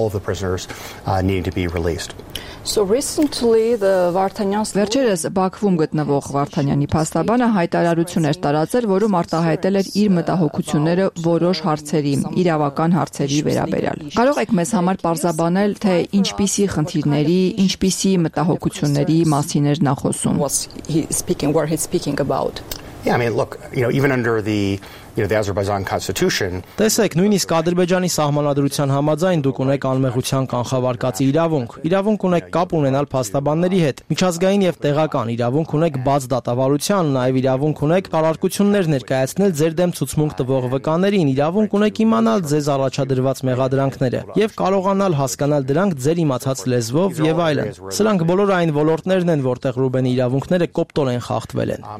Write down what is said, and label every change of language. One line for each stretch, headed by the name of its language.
English: So recently the Vartanyan's
Armenian: վերջերս Բաքվում գտնվող Վարդանյանի փաստաբանը հայտարարություն էր տարածել, որում արտահայտել էր իր մտահոգությունները որոշ հարցերի, իրավական հարցերի վերաբերյալ։ Կարող եք մեզ համար պարզաբանել, թե ինչպիսի խնդիրների, ինչպիսի մտահոգությունների մասին էր նա խոսում։
English: Yeah, I mean, look, you know, even under the, you know, the Azerbaijan constitution.
Armenian: Տեսեք, նույնիսկ Ադրբեջանի սահմանադրության համաձայն դուք ունեք անմեղության կանխավարկածի իրավունք։ Իրավունք ունեք կապ ունենալ փաստաբանների հետ, միջազգային եւ տեղական իրավունք ունեք բաց դատավարության, նաեւ իրավունք ունեք կարարկություններ ներկայացնել ձեր դեմ ցուցմունք տվող վկաներին, իրավունք ունեք իմանալ ձեզ առաջադրված մեղադրանքները եւ կարողանալ հասկանալ դրանք ձեր իմացած լեզվով եւ այլն։ Սրանք բոլոր այն ոլորտներն են, որտեղ Ռուբենի իրավունքները կոպտորեն խախտվել են։